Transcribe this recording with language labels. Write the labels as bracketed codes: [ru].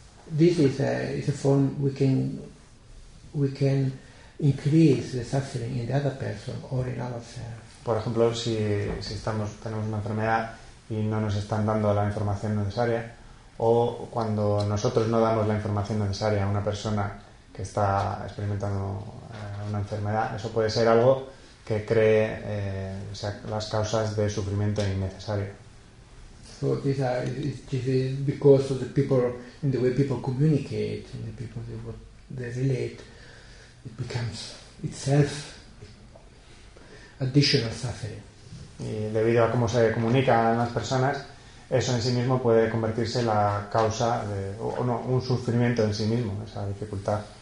[en] This is a form we can increase the suffering in the other person or in ourselves. [es] Por ejemplo, si tenemos una enfermedad y no nos están dando la información necesaria, o cuando nosotros no damos la información necesaria a una persona que está experimentando una enfermedad, eso puede ser algo que cree las causas de sufrimiento innecesario. [en] So this is because of the people, in the way people communicate, in the people they relate, it becomes itself additional suffering. [es] Y debido a cómo se comunican las personas, eso en sí mismo puede convertirse en la causa de, o no, un sufrimiento en sí mismo, esa dificultad.